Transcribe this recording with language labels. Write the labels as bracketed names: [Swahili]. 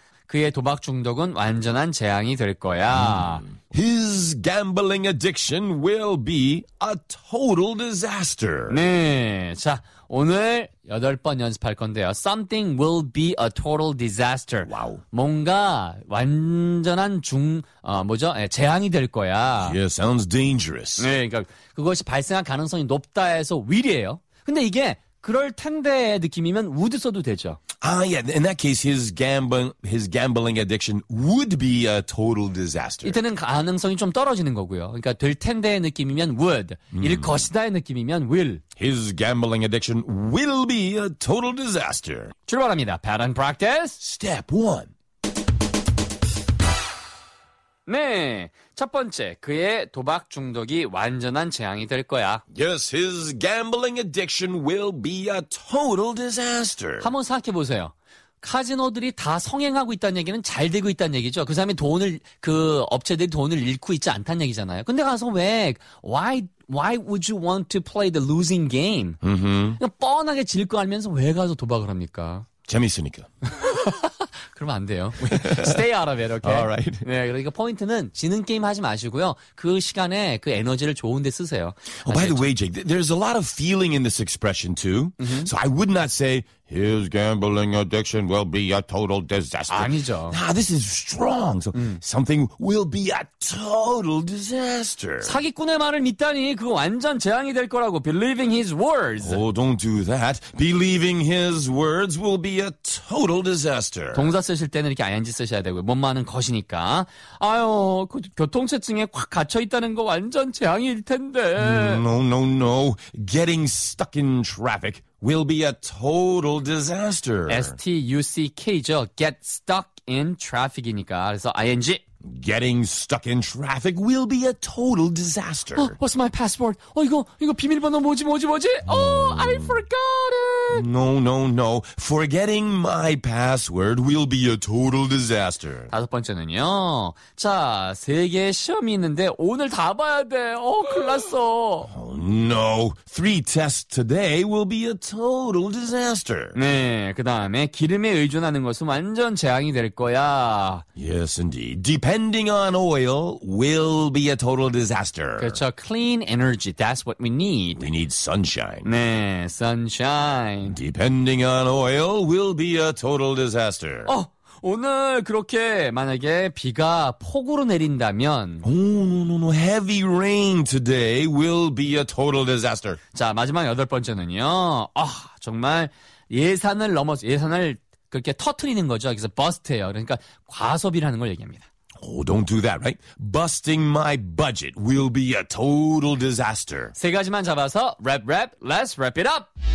[Korean] 그의 도박 중독은 완전한 재앙이 될 거야. [English] His gambling addiction will be a total disaster. [Korean] 네, 자, 오늘 여덟 번 연습할 건데요. [English] Something will be a total disaster. [Korean] 와우. 뭔가 완전한 재앙이 될 거야. [English] Yeah, sounds dangerous. [Korean] 네, 그러니까 그것이 발생할 가능성이 높다 해서 will이에요. 근데 이게 그럴 텐데의 느낌이면 would 써도 되죠. [English] Ah, yeah. In that case, his gambling addiction would be a total disaster. [Korean] 이때는 가능성이 좀 떨어지는 거고요. 그러니까 될 텐데의 느낌이면 would, 일 것이다의 느낌이면 will. [English] His gambling addiction will be a total disaster. [Korean] 출발합니다. [English] Pattern practice. Step one. [Korean] 네, 첫 번째, 그의 도박 중독이 완전한 재앙이 될 거야. [English] Yes, his gambling addiction will be a total disaster. [Korean] 한번 생각해 보세요. 카지노들이 다 성행하고 있다는 얘기는 잘 되고 있다는 얘기죠. 그 사람이 돈을, 그 업체들이 돈을 잃고 있지 않다는 얘기잖아요. 근데 가서 왜, [English] why would you want to play the losing game? Mm-hmm. [Korean] 뻔하게 질 거 알면서 왜 가서 도박을 합니까? 재미있으니까. 그러면 안 돼요. [English] Stay out of it, okay? All right. [Korean] 네, 그러니까 포인트는 지는 게임 하지 마시고요. 그 시간에 그 에너지를 좋은 데 쓰세요. [English] Oh, by the way, Jake, there's a lot of feeling in this expression too. Mm-hmm. So I would not say his gambling addiction will be a total disaster. [Korean] 아니죠. [English] Nah, this is strong. So something will be a total disaster. [Korean] 사기꾼의 말을 믿다니 그 완전 재앙이 될 거라고. [English] Believing his words. Oh, don't do that. Believing his words will be a total disaster. [Korean] 동사 쓰실 때는 이렇게 ing 쓰셔야 되고요. 뭔말은 것이니까. 아유, 그 교통체증에 꽉 갇혀 있다는 거 완전 재앙일 텐데. [English] No. Getting stuck in traffic will be a total disaster. S-T-U-C-K죠. Get stuck in traffic이니까. [Korean] 그래서 ing. [English] Getting stuck in traffic will be a total disaster. Oh, what's my passport? [Korean] Oh, 이거 비밀번호 뭐지? [English] Oh, I forgot it. No. Forgetting my password will be a total disaster. [Korean] 다섯 번째는요. 자, 세 개의 시험이 있는데 오늘 다 봐야 돼. 어, 큰일 났어. [English] No, three tests today will be a total disaster. [Korean] 네, 그 다음에 기름에 의존하는 것은 완전 재앙이 될 거야. [English] Yes, indeed. Depending on oil will be a total disaster. [Korean] 그렇죠. [English] Clean energy, that's what we need. We need sunshine. [Korean] 네, sunshine. [English] Depending on oil will be a total disaster. [Korean] 어, 오늘 그렇게 만약에 비가 폭우로 내린다면 [English] No. Heavy rain today will be a total disaster. [Korean] 자, 마지막 여덟 번째는요. 아, 정말 예산을 넘어서 예산을 그렇게 터트리는 거죠. 그래서 버스트예요. 그러니까 과소비라는 걸 얘기합니다. [English] Oh, don't do that, right? Busting my budget will be a total disaster. [Korean] 세 가지만 잡아서 랩, [English] let's wrap it up.